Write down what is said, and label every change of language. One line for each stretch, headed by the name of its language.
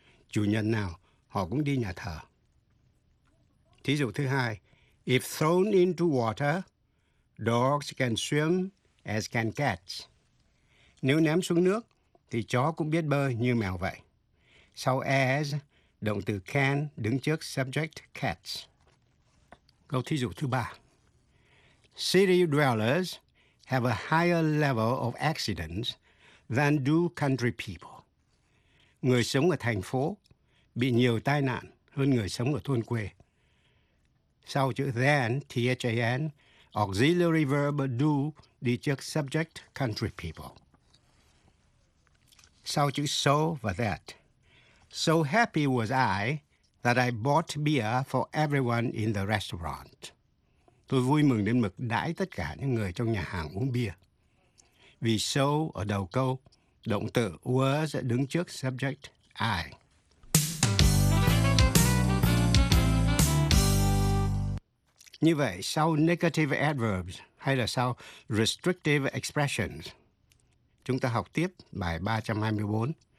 Vietnamese: Chủ nhật nào, họ cũng đi nhà thờ. Thí dụ thứ hai,
English: if thrown into water, dogs can swim as can cats.
Vietnamese: Nếu ném xuống nước, thì chó cũng biết bơi như mèo vậy. Sau as, động từ can đứng trước subject cats. Câu thí dụ thứ ba.
English: City dwellers have a higher level of accidents than do country people.
Vietnamese: Người sống ở thành phố bị nhiều tai nạn hơn người sống ở thôn quê. Sau chữ than, than, auxiliary verb do đi trước subject country people. Sau chữ so và that.
English: So happy was I that I bought beer for everyone in the restaurant.
Vietnamese: Tôi vui mừng đến mức đãi tất cả những người trong nhà hàng uống bia. Vì so ở đầu câu, động từ was đứng trước subject I. Như vậy, sau negative adverbs hay là sau restrictive expressions, chúng ta học tiếp bài 324.